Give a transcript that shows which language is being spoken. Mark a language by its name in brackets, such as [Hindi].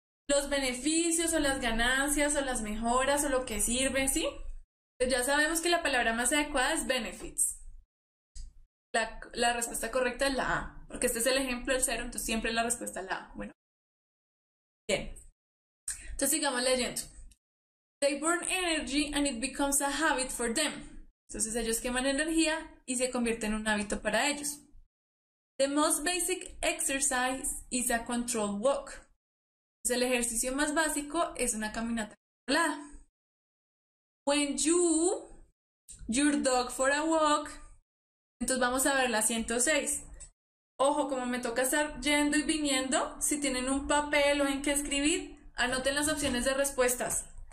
[Spanish] Los beneficios o las ganancias o las mejoras o lo que sirve, ¿sí? Pues ya sabemos que la palabra más adecuada es benefits. La respuesta correcta es la A, porque este es el ejemplo del cero, entonces siempre la respuesta es la A. Bueno. Bien. Entonces sigamos leyendo. [English] They burn energy and it becomes a habit for them. [Spanish] Entonces ellos queman energía y se convierte en un hábito para ellos. [English] The most basic exercise is a controlled walk. [Spanish] El ejercicio más básico es una caminata controlada. [English] When your dog for a walk. [Spanish] Entonces vamos a ver la 106. Ojo, como me toca estar yendo y viniendo, si tienen un papel o en qué escribir, anoten las opciones de respuestas.